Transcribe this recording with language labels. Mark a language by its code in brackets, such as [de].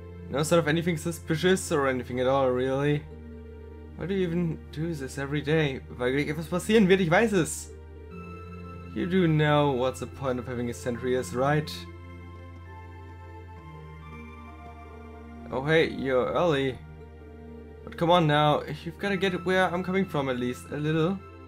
[en] No sort of anything suspicious or anything at all, really. Why do you even do this every day? [de] Weil gleich etwas passieren wird, ich weiß es. [en] You do know what's the point of having a sentry is, right? Oh hey, you're early. But come on now, you've gotta get where I'm coming from at least, a little.